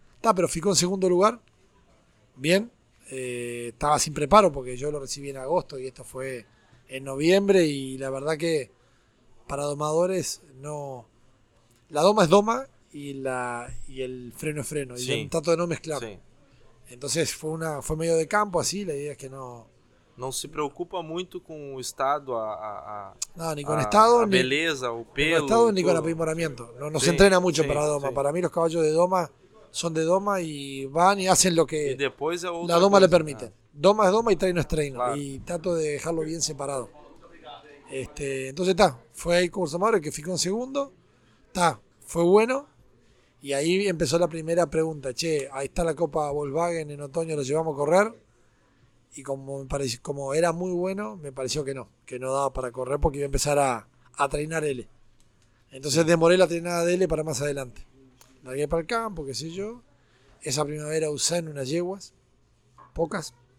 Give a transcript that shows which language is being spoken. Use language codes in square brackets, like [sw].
[es] Está, pero ficó en segundo lugar. Bien. Estaba sin preparo porque yo lo recibí en agosto y esto fue en noviembre. Y la verdad que para domadores no. La doma es doma y el freno es freno. Sí. Y yo trato de no mezclar. Sí. Entonces fue medio de campo así. La idea es que no. [pt] Não se preocupa muito com o estado, não, nem com o estado, a beleza, o pelo. Com o estado, nem com o aprimoramento. Não, não se entrena muito para a doma. Sim. Para mim, os cavalos de doma são de doma e vão e fazem o que e depois é a doma lhe permite. Ah. Doma é doma e treino é treino. Claro. E trato de deixá-lo bem separado. Então, está. Foi aí com o Samaro que ficou em segundo. Está. Foi bueno. E aí começou a primeira pergunta. Che, aí está a Copa Volkswagen em outono, nos levamos a correr. [es] Y como era muy bueno, me pareció que no daba para correr porque iba a empezar a trainar L. Entonces demoré la trainada de L para más adelante. Largué para el campo, qué sé yo. Esa primavera usé en unas yeguas, pocas.